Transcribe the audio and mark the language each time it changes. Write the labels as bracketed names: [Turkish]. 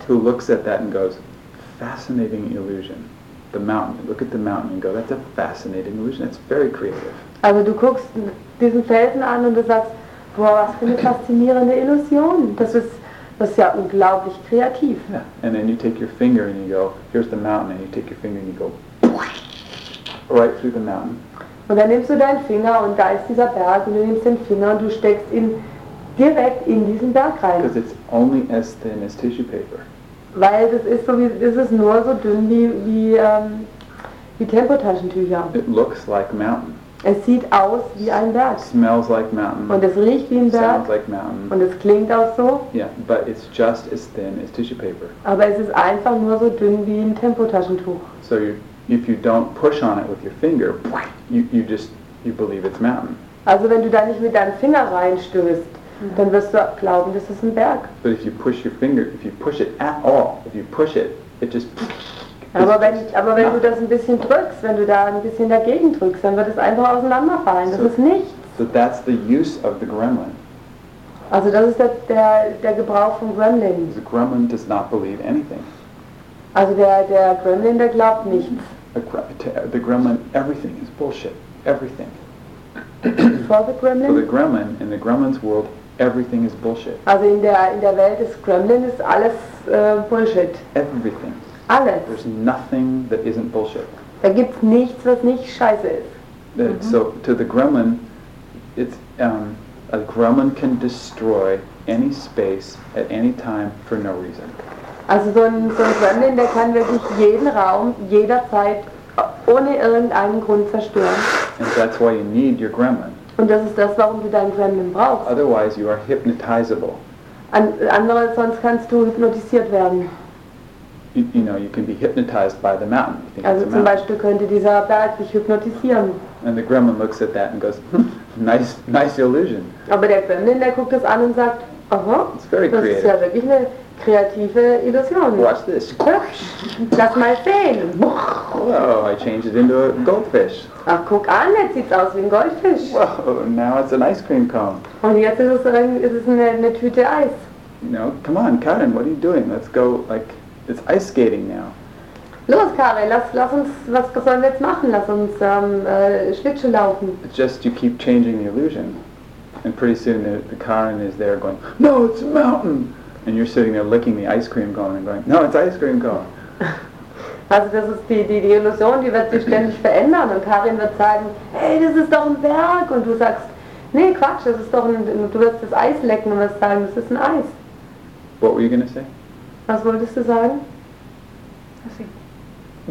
[English] Who looks at that and goes, fascinating illusion. The mountain, look at the mountain and go, that's a fascinating illusion, it's very creative. [German] Also du guckst diesen Felsen an und du sagst, boah, was für eine faszinierende Illusion. Das ist ja unglaublich kreativ. [English] Yeah. And then you take your finger and you go, here's the mountain, and you take your finger and you go, right through the mountain. [German] Und dann nimmst du deinen Finger und da ist dieser Berg und du nimmst den Finger und du steckst ihn direkt in diesen Berg rein. [English] Because it's only as thin as tissue paper. [German] Weil das ist so wie, das ist nur so dünn wie Tempotaschentücher. [English] It looks like mountain. [German] Es sieht aus wie ein Berg. [English] Smells like mountain. [German] Und es riecht wie ein Berg. [English] Sounds like mountain. [German] Und es klingt auch so. [English] Yeah, but it's just as thin as tissue paper. [German] Aber es ist einfach nur so dünn wie ein Tempotaschentuch. [English] So if you don't push on it with your finger, you believe it's mountain. [German] Also wenn du da nicht mit deinem Finger reinstößt, dann wirst du glauben, das ist ein Berg. [English] But if you push your finger, if you push it at all, if you push it, it just... [German] Aber wenn du das ein bisschen drückst, wenn du da ein bisschen dagegen drückst, dann wird es einfach auseinanderfallen. Das ist nichts. [English] So that's the use of the gremlin. [German] Also das ist der Gebrauch vom Gremlin. [English] The gremlin does not believe anything. [German] Also der Gremlin, der glaubt nichts. [English] The gremlin, everything is bullshit. Everything. For the gremlin? For the gremlin, in the gremlin's world, everything is bullshit. [German] Also in der Welt des Gremlin ist alles Bullshit. [English] Everything. [German] Alles. [English] There's nothing that isn't bullshit. [German] Da gibt's nichts, was nicht scheiße ist. [English] So to the gremlin, it's a gremlin can destroy any space at any time for no reason. [German] Also so ein Gremlin, der kann wirklich jeden Raum jederzeit ohne irgendeinen Grund zerstören. [English] And that's why you need your gremlin. [German] Und das ist das, warum du deinen Gremlin brauchst. [English] Otherwise you are hypnotizable. [German] Sonst kannst du hypnotisiert werden. [English] You know, you can be hypnotized by the mountain. You think [German] also [English] it's a [German] zum [English] mountain. [German] Beispiel könnte dieser Berg dich hypnotisieren. [English] And the gremlin looks at that and goes, nice illusion. [German] Aber der Gremlin, der guckt das an und sagt, aha, [English] it's very [German] das [English] creative. [German] Ist ja wirklich eine kreative Illusion. [English] Watch this. [German] Lass mal sehen. [English] Oh, I changed it into a goldfish. [German] Ach, guck an, jetzt sieht's aus wie ein Goldfisch. [English] Whoa, now it's an ice cream cone. [German] Und jetzt ist es eine Tüte Eis. [English] You know, come on, Karen, what are you doing? Let's go, like... It's ice skating now. [German] Los, Karin, lass uns, was sollen wir jetzt machen? Lass uns Schlittschuh laufen. [English] It's just you keep changing the illusion. And pretty soon the Karin is there going, no, it's a mountain. And you're sitting there licking the ice cream cone and going, no, it's ice cream cone. [German] Also das ist die Illusion, die wird sich ständig verändern. Und Karin wird sagen, hey, das ist doch ein Berg. Und du sagst, nee, Quatsch, das ist doch ein, du wirst das Eis lecken und wirst sagen, das ist ein Eis. [English] What were you going to say? [German] Was wolltest du sagen? [English] Let's see.